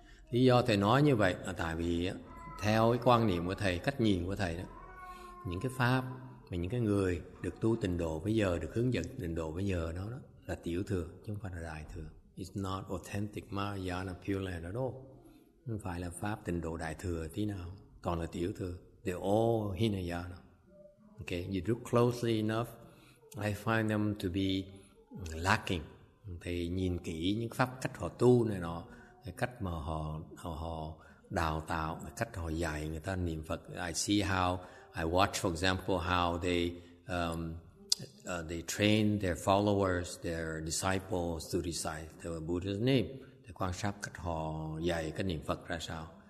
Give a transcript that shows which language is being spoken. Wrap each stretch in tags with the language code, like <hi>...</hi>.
<vi>Lý do thầy nói như vậy là tại vì theo cái quan niệm của thầy, cách nhìn của thầy đó, những cái pháp mà những cái người được tu tịnh độ bây giờ, được hướng dẫn tịnh độ bây giờ đó là tiểu thừa, chứ không phải là đại thừa.</vi> <en>It's not authentic Mahayana Pure Land at all.</en> <vi>Không phải là pháp tịnh độ đại thừa tí nào, còn là tiểu thừa.</vi> <en>They're all Hinayana. Okay, you look closely enough, I find them to be lacking.</en> <vi>Thì nhìn kỹ những pháp cách họ tu này nọ, cách mà họ đào tạo, cách họ dạy người ta niệm Phật.</vi> <en>I watch, for example, how they train their followers, their disciples to recite the Buddha's name.</en> <vi>Thì quan sát cách họ dạy cách niệm Phật ra sao.</vi>